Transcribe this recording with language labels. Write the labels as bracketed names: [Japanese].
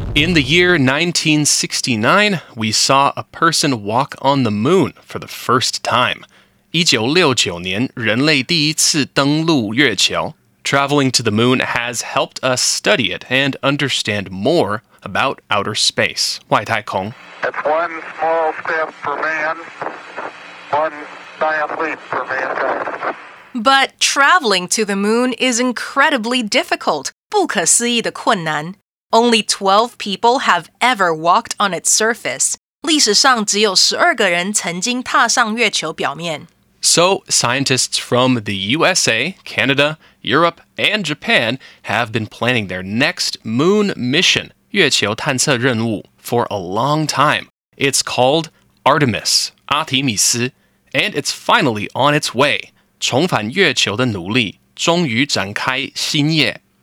[English] In the year 1969, we saw a person walk on the moon for the first time. [Chinese] 1969年,人类第一次登陆月球。 [English] Traveling to the moon has helped us study it and understand more about outer space. [Chinese] 外太空。 [English] It's one small step for man, one giant leap for mankind. But traveling to the moon is incredibly difficult. [Chinese] 不可思议的困难。 [English] Only 12 people have ever walked on its surface. [Chinese] 历史上只有12个人曾经踏上月球表面。 [English] So, scientists from the USA, Canada, Europe, and Japan have been planning their next moon mission, [Chinese] 月球探测任务, [English] for a long time. It's called Artemis, 阿提米斯, and it's finally on its way. [Chinese] 重返月球的努力终于展开新页。